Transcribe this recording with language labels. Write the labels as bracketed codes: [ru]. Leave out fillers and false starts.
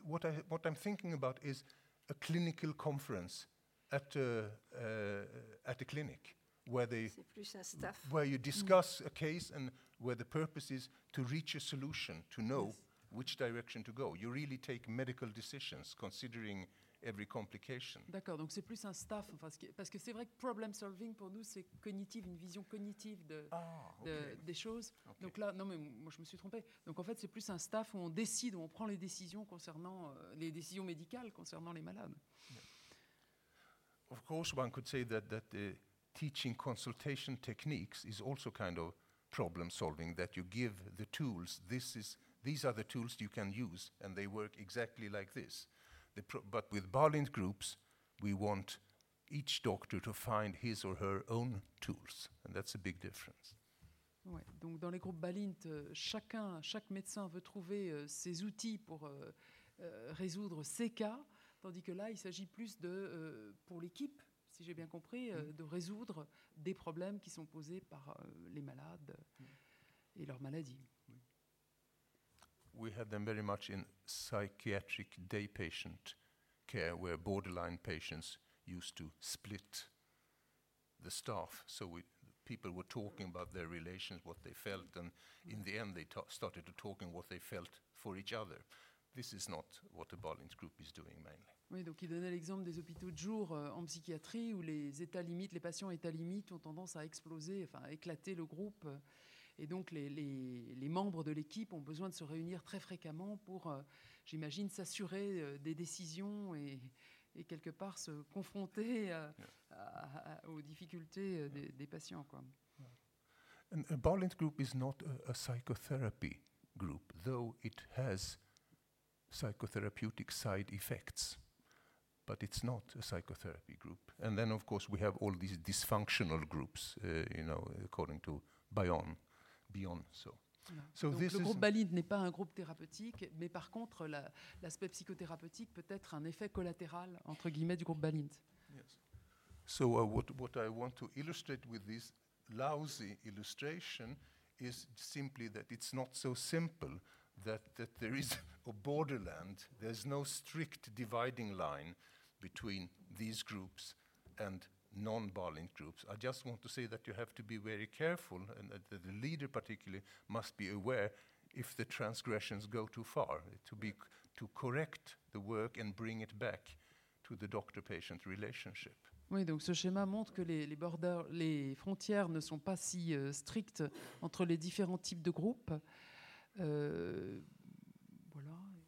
[en] What I'm thinking about is a clinical conference. At a clinic, where they where you discuss a case and where the purpose is to reach a solution, to know which direction to go. You really take medical decisions considering every complication. [fr] D'accord. Donc c'est plus un staff, parce que c'est vrai que problem solving pour nous c'est cognitive, une vision cognitive des choses. Okay. Donc là, non mais moi je me suis trompé. Donc en fait c'est plus un staff où on décide, où on prend les décisions concernant les décisions médicales concernant les malades. [en] Yeah. Of course, one could say that the teaching consultation techniques is also kind of problem solving, that you give the tools. These are the tools you can use, and they work exactly like this. But with Barlind groups, we want each doctor to find his or her own tools, and that's a big difference. [fr] Ouais, donc dans les groupes Barlind, chaque médecin veut trouver ses outils pour résoudre ses cas. Tandis que là, il s'agit plus de, pour l'équipe, si j'ai bien compris, de résoudre des problèmes qui sont posés par les malades et leurs maladies. [en] We have them very much in psychiatric day patient care, where borderline patients used to split the staff. So people were talking about their relations, what they felt, and in the end they started to talk about what they felt for each other. This is not what the Barlind group is doing mainly. [fr] Oui, donc il donnait l'exemple des hôpitaux de jour en psychiatrie où les états limites, les patients états limites ont tendance à exploser, enfin à éclater le groupe. Et donc les membres de l'équipe ont besoin de se réunir très fréquemment pour, j'imagine, s'assurer des décisions et quelque part se confronter aux difficultés des patients. Quoi. [en] A Barlind group is not a psychotherapy group, though it has psychotherapeutic side effects, but it's not a psychotherapy group. And then, of course, we have all these dysfunctional groups, according to Bayon. So this [fr] le groupe Balint n'est pas un groupe thérapeutique, mais par contre, l'aspect psychothérapeutique peut être un effet collatéral entre guillemets du groupe Balint. [en] Yes. So what I want to illustrate with this lousy illustration is simply that it's not so simple. That there is a borderland, there's no strict dividing line between these groups and non-Barlind groups. I just want to say that you have to be very careful, and that the leader particularly must be aware if the transgressions go too far, to correct the work and bring it back to the doctor-patient relationship. [fr] Oui, donc ce schéma montre que les frontières ne sont pas si strictes entre les différents types de groupes. Voilà.